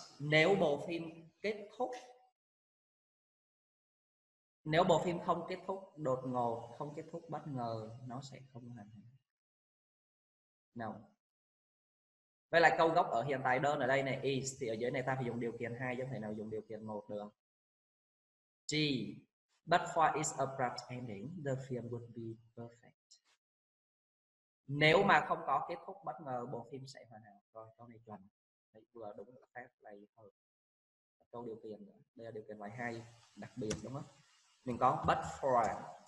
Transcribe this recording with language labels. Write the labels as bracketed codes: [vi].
[vi] Nếu bộ phim kết thúc, nếu bộ phim không kết thúc đột ngột, không kết thúc bất ngờ, nó sẽ không hoàn hảo. No. Với lại câu gốc ở hiện tại đơn ở đây này is, thì ở dưới này ta phải dùng điều kiện 2, chứ không thể nào dùng điều kiện 1 được. [en] G, but for its abrupt ending, the film would be perfect. [vi] Nếu mà không có kết thúc bất ngờ, bộ phim sẽ hoàn hảo. Rồi, câu này chuẩn. Đấy, vừa đúng là phép này thôi. Câu điều kiện, đây là điều kiện loại 2, đặc biệt đúng không? Mình có but for.